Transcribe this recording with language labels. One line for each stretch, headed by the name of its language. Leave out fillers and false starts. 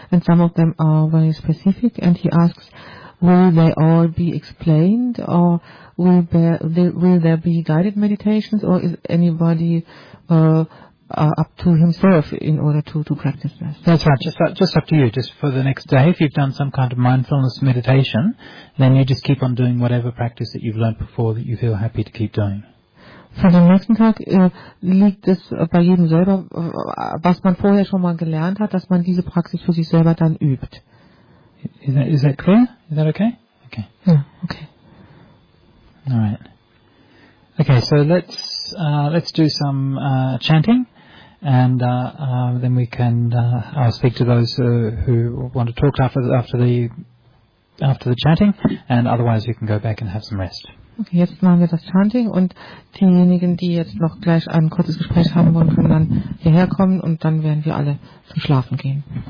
English: And some of them are very specific, and he asks, will they all be explained, or will there be guided meditations, or is anybody up to himself in order to practice this? That's right, just up to you. Just for the next day, if you've done some kind of mindfulness meditation, then you just keep on doing whatever practice that you've learned before that you feel happy to keep doing.
German: Für den nächsten Tag liegt es bei jedem selber, was man vorher schon mal gelernt hat, dass man diese Praxis für sich selber dann übt.
English: Is that clear? Is that okay? Okay. Yeah, okay. All right. Okay, so let's do some chanting, and then we can I'll speak to those who want to talk after the chanting, and otherwise we can go back and have some rest.
German: Okay, jetzt machen wir das Chanting, und diejenigen, die jetzt noch gleich ein kurzes Gespräch haben wollen, können dann hierher kommen, und dann werden wir alle zum Schlafen gehen.